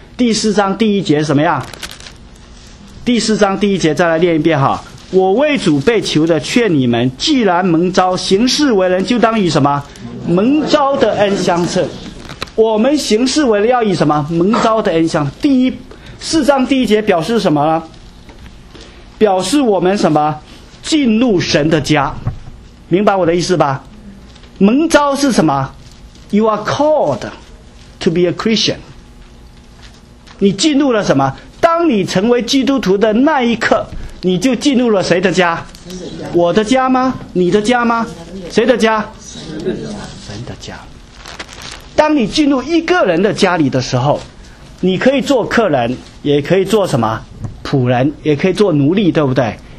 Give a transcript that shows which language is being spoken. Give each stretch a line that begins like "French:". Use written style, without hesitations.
Chinese: 第四章第一节什么样？第四章第一节再来念一遍哈，我为主被囚的劝你们，既然蒙召行事为人，就当以什么蒙召的恩相称。我们行事为人要以什么蒙召的恩相。第一四章第一节表示什么呢？表示我们什么进入神的家，明白我的意思吧？蒙召是什么？
English: You are called to be a Christian。
Chinese: 你进入了什么？当你成为基督徒的那一刻，你就进入了谁的家？我的家吗？你的家吗？谁的家？神的家。当你进入一个人的家里的时候，你可以做客人，也可以做什么仆人，也可以做奴隶，对不对？